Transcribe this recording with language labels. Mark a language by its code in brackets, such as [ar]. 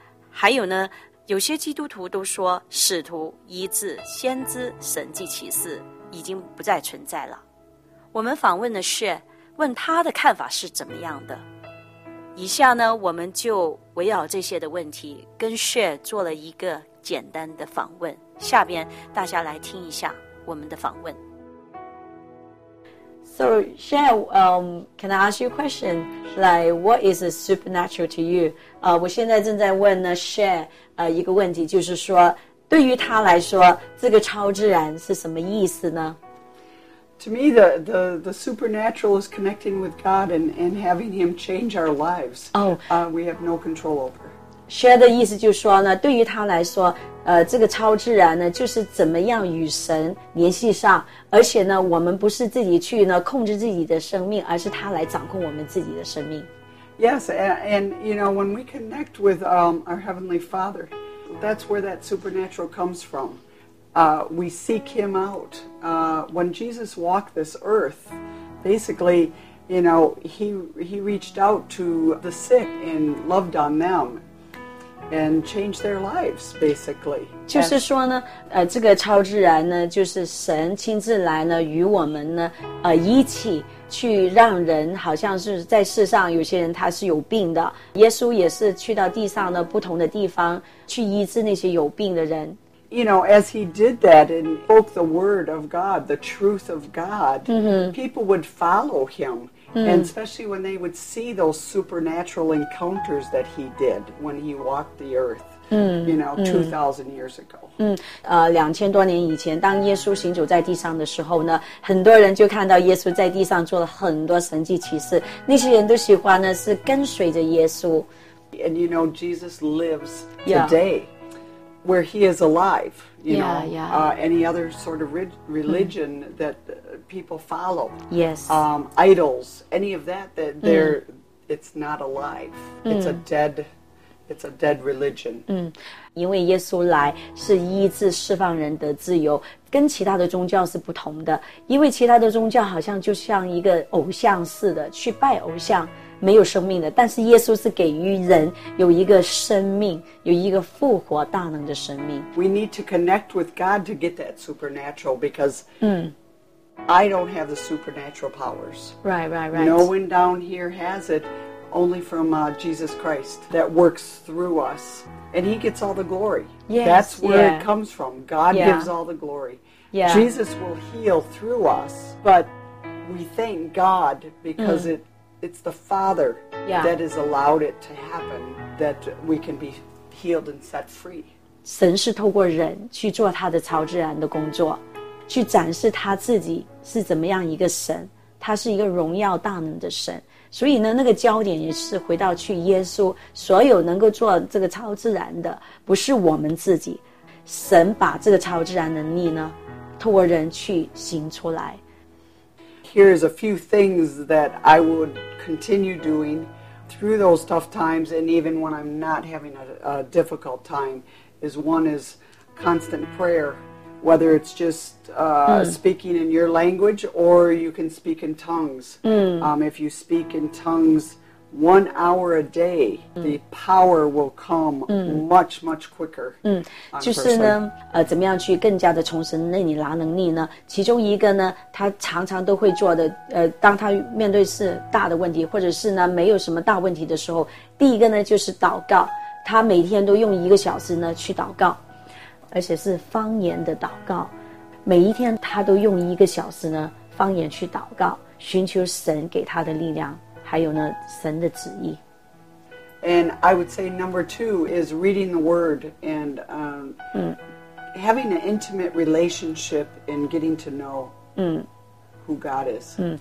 [zh] 还有呢，有些基督徒都说使徒、医治、先知、神迹奇事已经不再存在了。我们访问的是问他的看法是怎么样的。以下呢，我们就围绕这些的问题跟雪做了一个简单的访问，下边大家来听一下我们的访问。 [en] So, Share, can I ask you a question? Like, what is a supernatural to you? [zh] 我现在正在问呢 Share, 一个问题，就是说对于他来说这个超自然是什么意思呢？ [en] To me, the supernatural is connecting with God and having him change our lives. We have no control over. [zh] Share 的意思就是说呢，对于他来说这个超自然呢，就是怎么样与神联系上，而且呢，我们不是自己去呢控制自己的生命，而是他来掌控我们自己的生命。 [en] Yes, and you know, when we connect with our Heavenly Father, that's where that supernatural comes from. We seek Him out. When Jesus walked this earth, basically, you know, He reached out to the sick and loved on them. And change their lives, basically. [zh] 就是说呢，这个超自然呢，就是神亲自来呢，与我们呢，一起去让人好像是在世上有些人他是有病的。耶稣也是去到地上的不同的地方去医治那些有病的人。 [en] You know, as he did that and spoke the word of God, the truth of God, people would follow him. And especially when they would see those supernatural encounters that he did when he walked the earth, you know, 2,000 years ago. [zh] 2,000多年以前，当耶稣行走在地上的时候呢，很多人就看到耶稣在地上做了很多神迹奇事。那些人都喜欢呢，是跟随着耶稣。 [en] And you know, Jesus lives today where he is alive, you know, any other sort of religion that... people follow. Yes. Idols, any of that, they're, it's not alive. It's a dead religion. [zh] 因为耶稣来是医治释放人得自由，跟其他的宗教是不同的。因为其他的宗教好像就像一个偶像似的，去拜偶像，没有生命的。但是耶稣是给予人有一个生命，有一个复活大能的生命。 [en] We need to connect with God to get that supernatural because... I don't have the supernatural powers. Right. No one down here has it, only from Jesus Christ that works through us. And he gets all the glory. Yes, That's where it comes from. God gives all the glory. Yeah. Jesus will heal through us, but we thank God because it's the Father that has allowed it to happen, that we can be healed and set free. [zh] 神是透过人去做他的超自然的工作。去展示他自己是怎么样一个神，他是一个荣耀大能的神。所以呢，那个焦点也是回到去耶稣，所有能够做这个超自然的不是我们自己，神把这个超自然能力呢透过人去行出来。 [en] Here's a few things that I would continue doing through those tough times and even when I'm not having a difficult time is one is constant prayerWhether it's just speaking in your language or you can speak in tongues. If you speak in tongues 1 hour a day, the power will come much, much quicker. [zh] 就是呢，怎么样去更加的重生那你拿能力呢？其中一个呢，他常常都会做的，当他面对是大的问题，或者是呢没有什么大问题的时候，第一个呢就是祷告，他每天都用1个小时呢去祷告。而且是方言的祷告。每一天他都用一个小时呢方言去祷告，寻求神给他的力量，还有呢神的旨意。 [en] And I would say number two is reading the word and having an intimate relationship and getting to know who God is.